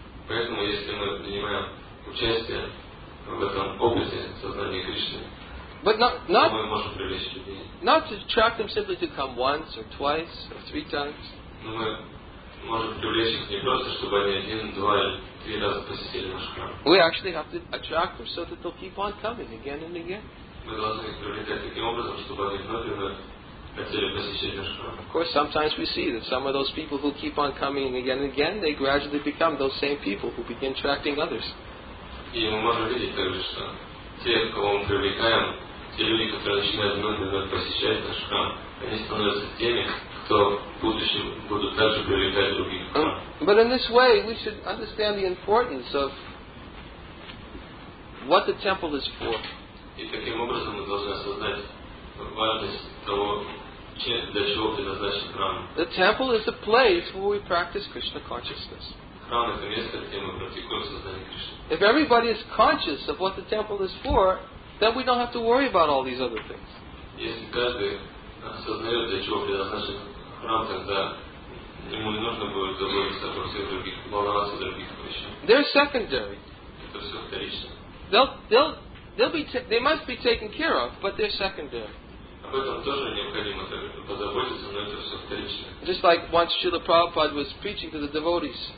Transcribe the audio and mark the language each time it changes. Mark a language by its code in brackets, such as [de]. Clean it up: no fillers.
[ru] Поэтому, если мы принимаем участие в этом опыте сознания Кришны, [en] but not [ru] мы можем привлечь людей. [en] Not to attract them simply to come once or twice or three times. [ru] Но мы можем привлечь их не просто, чтобы они один, два или три раза посетили наш храм. [en] We actually have to attract them so that they'll keep on coming again and again. [ru] Мы должны их привлекать таким образом, чтобы они вновь и вновь хотели посещать наш храм. [en] Of course, sometimes we see that some of those people who keep on coming again and again, they gradually become those same people who begin attracting others. [ru] И мы можем видеть также, что те, кого мы привлекаем, те люди, которые начинают вновь и вновь посещать наш храм, они становятся теми, кто в будущем будут также привлекать других к нам. [en] But in this way, we should understand the importance of what the temple is for. [ru] И таким образом мы должны осознать важность того, для чего предназначен храм. [en] The temple is the place where we practice Krishna consciousness. [ru] Храм — это место, где мы практикуем сознание Кришны. [en] If everybody is conscious of what the temple is for, then we don't have to worry about all these other things. [ru] Если каждый осознает, для чего предназначен храм, тогда ему не нужно будет заботиться обо всех других, волноваться других вещах. [en] They're secondary. [ru] Это все вторично. [en] They must be taken care of, but they're secondary. [ru] Об этом тоже необходимо позаботиться, но это все вторично. [en] Just like once Srila Prabhupada was preaching to the devotees.